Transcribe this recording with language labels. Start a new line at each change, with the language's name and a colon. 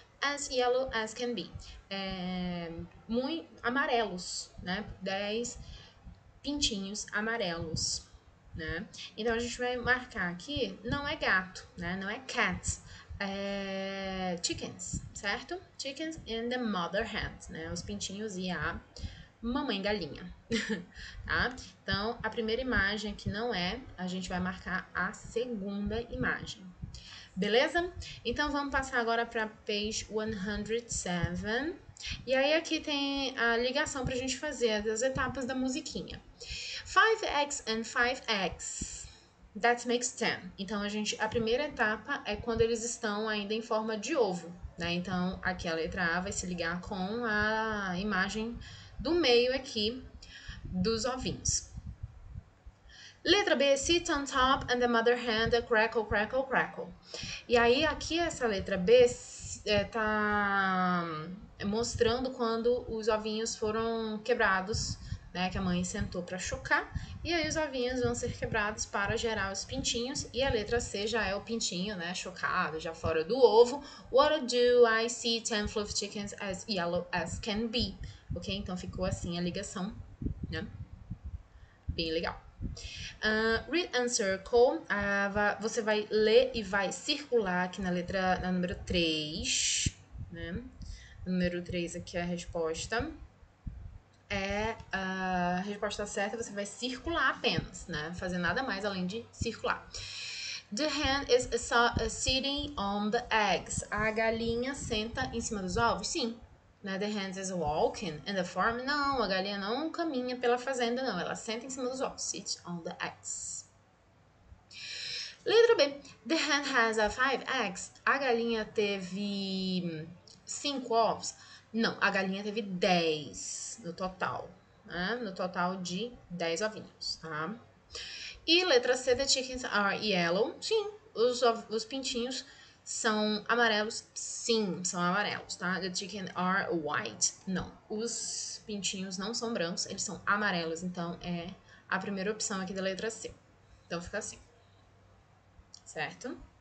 English: As yellow as can be.
Portuguese: Muito amarelos, né? 10 pintinhos amarelos. Né? Então a gente vai marcar aqui, não é gato, né? Não é cat, é chickens, certo?
English: Chickens and the mother hen, né?
Portuguese: Os pintinhos e a mamãe galinha, tá? Então a primeira imagem que não é, a gente vai marcar a segunda imagem, beleza? Então vamos passar agora para page 107. E aí aqui tem a ligação para a gente fazer das etapas da musiquinha.
English: 5 eggs and 5 eggs. That makes 10.
Portuguese: Então a primeira etapa é quando eles estão ainda em forma de ovo, né? Então aqui a letra A vai se ligar com a imagem do meio aqui dos ovinhos. Letra B,
English: sit on top and the mother hen crackle, crackle, crackle.
Portuguese: E aí aqui essa letra B tá mostrando quando os ovinhos foram quebrados, né, que a mãe sentou para chocar, e aí os ovinhos vão ser quebrados para gerar os pintinhos, e a letra C já é o pintinho, né, chocado, já fora do ovo.
English: What do I see 10 fluffy chickens as yellow as can be? Ok?
Portuguese: Então ficou assim a ligação, né? Bem legal.
English: Read and circle.
Portuguese: Você vai ler e vai circular aqui na letra, na número 3, né? Número 3 aqui é a resposta. É a resposta certa, você vai circular apenas, né? Fazer nada mais além de circular.
English: The hen is sitting on the eggs.
Portuguese: A galinha senta em cima dos ovos? Sim. Né?
English: The hen is walking in the farm?
Portuguese: Não, a galinha não caminha pela fazenda, não. Ela senta em cima dos ovos.
English: Sit on the eggs.
Portuguese: Letra B.
English: The hen has 5 eggs.
Portuguese: A galinha teve 5 ovos? Não, a galinha teve 10 no total, né? No total de 10 ovinhos, tá? E letra C,
English: the chickens are yellow.
Portuguese: Sim, os pintinhos são amarelos. Sim, são amarelos, tá?
English: The chickens are white.
Portuguese: Não, os pintinhos não são brancos, eles são amarelos. Então, é a primeira opção aqui da letra C. Então, fica assim, certo?